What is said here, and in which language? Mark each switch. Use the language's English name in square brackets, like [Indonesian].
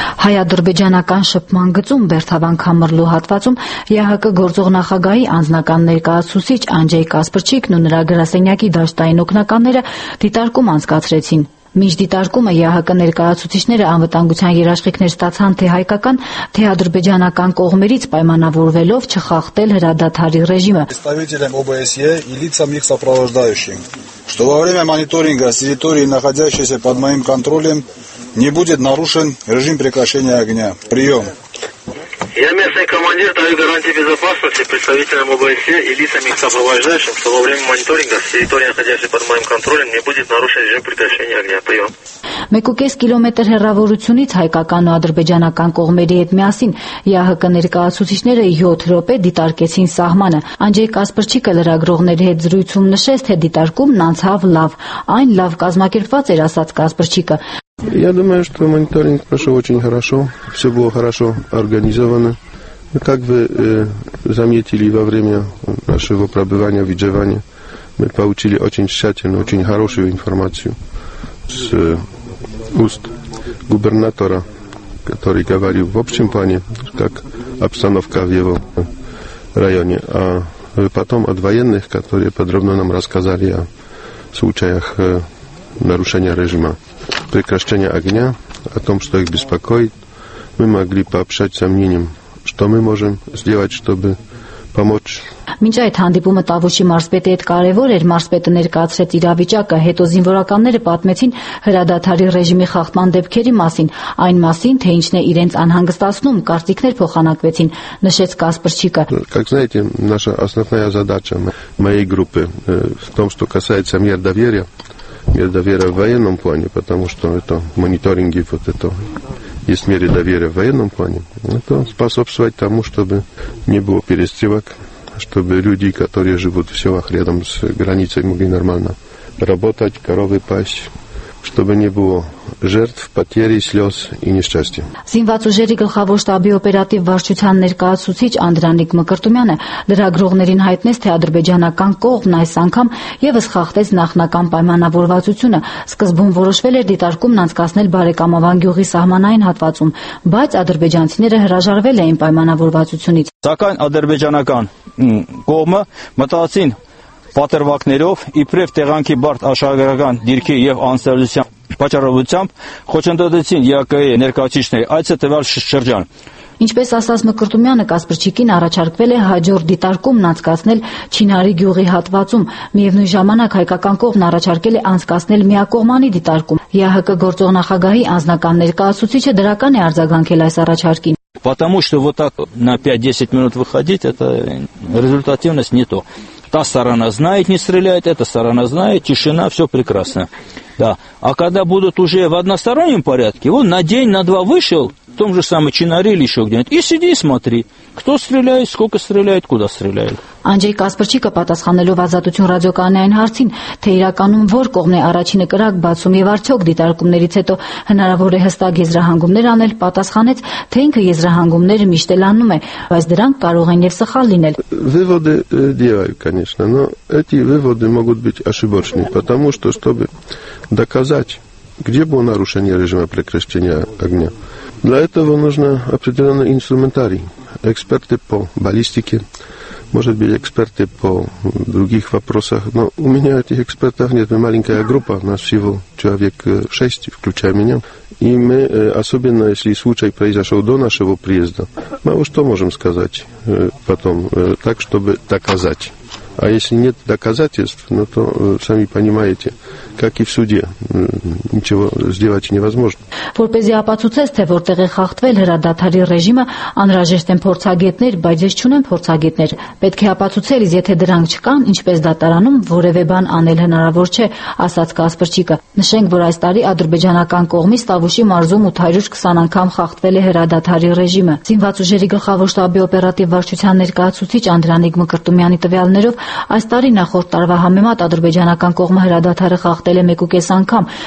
[Armenian] Հայ-ադրբեջանական շփման գծում Բերդավանք համրլու հատվածում ԵԱՀԿ գործող նախագահի անձնական ներկայացուցիչ Անջեյ Կասպրչիկն ու նրա գրասենյակի դաշտային օգնականները դիտարկում անցկացրեցին։ Մինչ դիտարկումը ԵԱՀԿ ներկայացուցիչները անվտանգության երաշխիքներ ստացան թե հայկական, թե ադրբեջանական կողմերից պայմանավորվելով չխախտել հրադադարի ռեժիմը։ [Russian] Представителям ОБСЕ и лицам их сопровождающим, что во время мониторинга с территории, находящейся под моим контролем, не будет нарушен режим прекращения огня. Прием. Я местный командир, даю гарантии безопасности представителям ОБСЕ и лицам их сопровождающим, что во время мониторинга с территории, находящейся под моим контролем, не будет нарушен режим прекращения огня. Прием. [Armenian] 1.5 կիլոմետր հեռավորությունից հայկական ու ադրբեջանական կողմերի հետ միասին ԵԱՀԿ ներկայացուցիչները 7 րոպե դիտարկեցին սահմանը։ Անջեյ Կասպրչիկը լրագրողների հետ զրույցում նշեց, թե դիտարկումն անցավ լավ, այն լավ կազմակերպված էր, ասաց Կասպրչիկը։ [Russian] Я думаю, что мониторинг прошел очень хорошо, все было хорошо организовано. Как вы заметили во время нашего пребывания в Иджеване, мы получили очень тщательную, очень хорошую информацию с уст губернатора, который говорил в общем плане, как обстановка в его районе. А потом от военных, которые подробно нам рассказали о случаях нарушения режима прекращения огня, о том, что их беспокоит, мы могли пообщать сомнением, что мы можем сделать, чтобы помочь. [Armenian] Մինչ այդ հանդիպումը Տավուշի մարզպետի հետ կարևոր էր, մարզպետը ներկայացրեց իրավիճակը, հետո զինվորականները պատմեցին հրադադարի ռեժիմի խախտման դեպքերի մասին, այն մասին, թե ինչն է իրենց անհանգստացնում, կարծիքներ փոխանակվեցին, նշեց Կասպրչիկը։ [Russian] Как знаете, наша основная задача моей группы в том, что касается мер доверия в военном плане, потому что это мониторинги, вот это есть меры доверия в военном плане, это способствовать тому, чтобы не было перестрелок, чтобы люди, которые живут в селах рядом с границей, могли нормально работать, коровы пасть, чтобы не было жертв, потерь, слез и несчастья. [Armenian] Զինված ուժերի գլխավոր штаբի օպերատիվ վարչության ներկայացուցիչ Անդրանիկ Մկրտումյանը լրագրողներին հայտնեց, թե ադրբեջանական կողմն այս անգամ եւս խախտեց նախնական պայմանավորվածությունը, սկզբում որոշվել էր դիտարկումն անցկացնել Բարեկամավան գյուղի սահմանային հատվածում, բայց ադրբեջանցիները հրաժարվել էին պայմանավորվածությունից։ Սակայն ադրբեջանական կողմը մտածին պատերվակներով իբրև տեղանքի բարդ աշխարհագրական դիրքի եւ անսովորության պատճառով խոչընդոտեցին ԵԱՀԿ-ի ներկայացուցիչները այս տվյալ շրջան։ Ինչպես ասաց Մկրտումյանը, Կասպրչիկին առաջարկվել է հաջորդ դիտարկումն անցկացնել Չինարի գյուղի հատվածում, միևնույն ժամանակ հայկական կողմն առաջարկել է անցկացնել միակողմանի դիտարկում։ ՀՀԿ գործողնախագահի անձնական ներկայացուցիչը դրական է արձագանքել այս առաջարկին։ [Russian] Потому что вот так на 5-10 минут выходить, это результативность не то. Та сторона знает, не стреляет, эта сторона знает, тишина, все прекрасно. Да. А когда будут уже в одностороннем порядке, вот на день, на два вышел, в том же самом Чинаре или еще где-нибудь, и сиди и смотри, кто стреляет, сколько стреляет, куда стреляет. [Armenian] Անջեյ Կասպրչիկը պատասխանելով Ազատություն ռադիոկանալային հարցին, թե իրականում որ կողմն է առաջինը կրակ բացում եւ արդյոք դիտարկումներից հետո հնարավոր է հստակ եզրահանգումներ անել, պատասխանեց, թե ինքը եզրահանգումները միշտ էլ անում է, բայց դրանք կարող են եւ սխալ լինել։ [Russian] Выводы делаю, конечно, но эти выводы могут быть ошибочны, потому что чтобы доказать, где было нарушение режима прекращения огня, для этого нужно определённый инструментарий, эксперты по баллистике. Может быть, эксперты по других вопросах, но у меня этих экспертов нет. Мы маленькая группа, нас всего человек 6, включая меня. И мы, особенно если случай произошел до нашего приезда, мы что можем сказать потом, так, чтобы доказать. А если нет доказательств, ну, то сами понимаете, как и в суде, ничего сделать невозможно. [Armenian] Որպեսզի ապացուցես, թե որտեղ է խախտվել հրադադարի ռեժիմը, անհրաժեշտ են փորձագետներ, բայց ես չունեմ փորձագետներ։ Պետք է ապացուցել, եթե դրանք չկան, ինչպես դատարանում որևէ բան անել հնարավոր չէ, ասաց Կասպրչիկը։ Նշենք, որ այս տարի ադրբեջանական կողմից Տավուշի մարզում 820 անգամ խախտվել է հրադադարի ռեժիմը։ Զինված ուժերի գլխավոր штаբի օպերատիվ վարչության ներկայացուցիչ Անդրանիկ Մկրտումյանի տվյալներով, այս տարի նախորդ տարվա համեմատ ադրբեջանական կողմը հրադադարը խախտել է 1.5 անգամ,